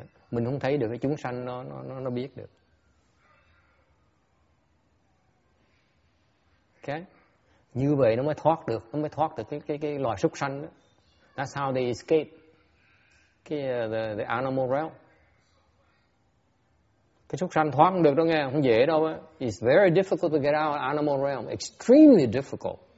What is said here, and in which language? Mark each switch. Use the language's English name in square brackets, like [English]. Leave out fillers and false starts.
[Vietnamese] Mình không thấy được cái chúng sanh nó biết được. Okay? Như vậy nó mới thoát được cái loài súc sanh đó. [English] That's how they escape the animal realm. [Vietnamese] Cái súc sanh thoát không được đó nghe, không dễ đâu á. [English] It's very difficult to get out of animal realm. Extremely difficult.